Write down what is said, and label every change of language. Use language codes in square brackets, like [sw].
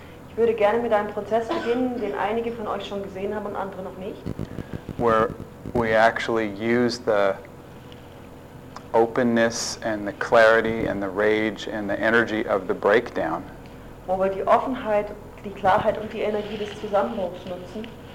[de] Ich würde gerne mit einem Prozess beginnen, den einige von euch schon gesehen haben und andere noch nicht. [en] Where we actually use the openness and the clarity and the rage and the energy of the breakdown. [de] Wo wir die Offenheit, die Klarheit und die Energie des Zusammenbruchs nutzen.